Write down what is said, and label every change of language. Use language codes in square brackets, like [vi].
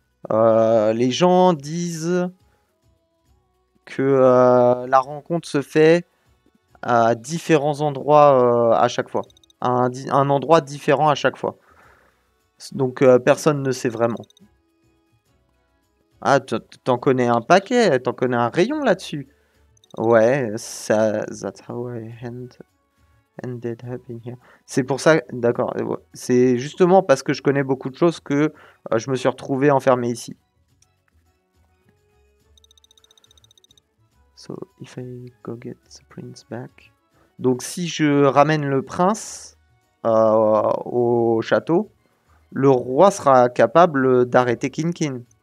[fr] Les gens disent que la rencontre se fait à différents endroits à chaque fois. Un endroit différent à chaque fois. Donc personne ne sait vraiment. Ah, t'en connais un paquet, t'en connais un rayon là-dessus. [en] Ouais, ça, that's how I ended up in here. [fr] C'est pour ça, d'accord. C'est justement parce que je connais beaucoup de choses que je me suis retrouvé enfermé ici. [en] So, if I go get the prince back. [fr] Donc, si je ramène le prince au château, le roi sera capable d'arrêter Kin Kin.